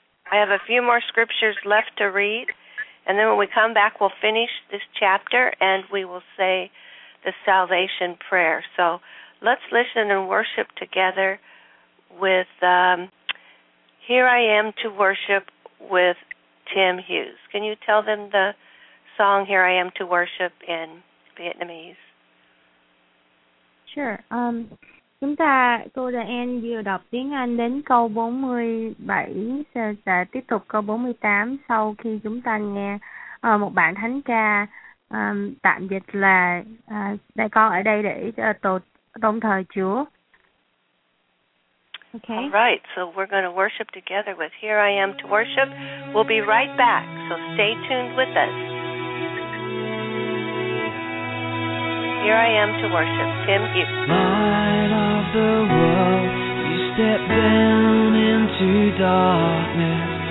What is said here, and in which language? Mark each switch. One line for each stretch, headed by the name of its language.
English: I have a few more scriptures left to read, and then when we come back, we'll finish this chapter and we will say the salvation prayer. So let's listen and worship together with Here I Am to Worship with Tim Hughes. Can you tell them the song Here I Am to Worship in Vietnamese? Sure.
Vietnamese: Chúng ta, tôi đã end vừa đọc tiếng Anh đến câu 47, sẽ tiếp tục câu 48 sau khi chúng ta nghe một bản thánh ca tạm dịch là đại con ở đây để tôn thờ Chúa.
English: Okay. All right, so we're going to worship together with Here I Am to Worship. We'll be right back, so stay tuned with us. Here I Am to Worship, Tim Hughes. The world, you step down into darkness.